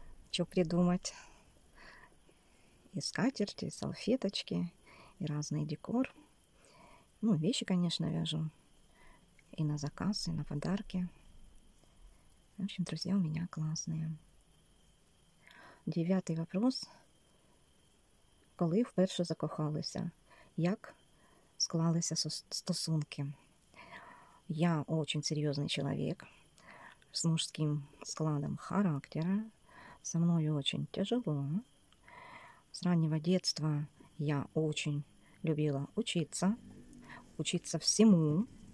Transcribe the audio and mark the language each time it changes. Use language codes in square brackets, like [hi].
[ru] Что придумать? И скатерти, и салфеточки. И разный декор. Ну, вещи, конечно, вяжу. И на заказ, и на подарки. В общем, друзья у меня классные. 9-й вопрос. [uk] Коли вперше закохалися? Як склалися стосунки? [ru] Я очень серьезный человек. С мужским складом характера. Со мной очень тяжело. С раннего детства я очень любила учиться, учиться всему.